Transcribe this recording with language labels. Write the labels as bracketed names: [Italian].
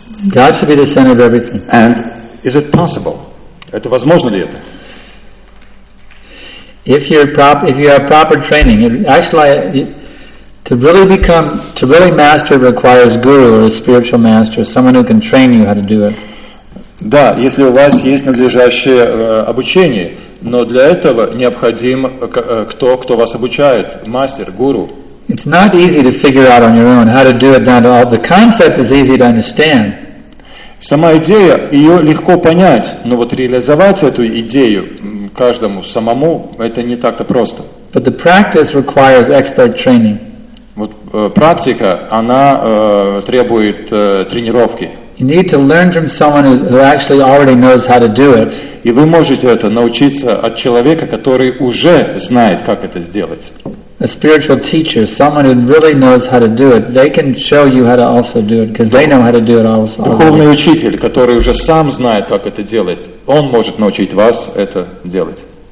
[English] God should be the center of everything. And is it possible? [Russian] Это возможно ли это? [English] If you have proper training, to really master requires guru or a spiritual master, someone who can train you how to do it. [Russian] Да, если у вас есть надлежащее обучение, но для этого необходим кто вас обучает, мастер, гуру. [English] It's not easy to figure out on your own how to do it down to all. The concept is easy to understand. [Russian] Сама идея, ее легко понять, но вот реализовать эту идею каждому самому, это не так-то просто. [English] But the practice requires expert training. [Russian] Вот практика, она требует тренировки. [English] You need to learn from someone who actually already knows how to do it. [Russian] И вы можете это научиться от человека, который уже знает, как это сделать. [English] A spiritual teacher, someone who really knows how to do it, they can show you how to also do it, because they know how to do it also. [Russian] Духовный учитель, который уже сам знает, как это делать, он может научить вас это делать.